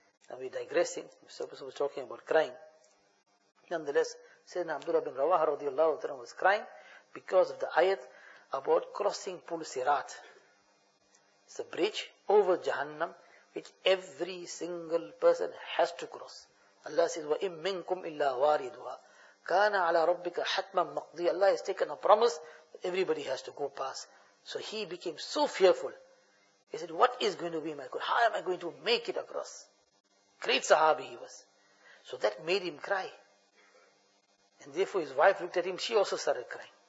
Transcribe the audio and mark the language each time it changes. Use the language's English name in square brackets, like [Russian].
[English] Now we're digressing, we're supposed to be talking about crying. Nonetheless, Sayyidina Abdullah bin Rawaha radiallahu ta'ala was crying because of the ayat about crossing Pul Sirat. It's a bridge over Jahannam which every single person has to cross. Allah says, [Arabic] وَإِمْ مِنْكُمْ إِلَّا وَارِدُهَا كَانَ عَلَىٰ رَبِّكَ حَتْمًا مَقْضِي. [English] Allah has taken a promise that everybody has to go past. So he became so fearful. He said, what is going to be my good? How am I going to make it across? Great Sahabi he was. So that made him cry. And therefore his wife looked at him, she also started crying.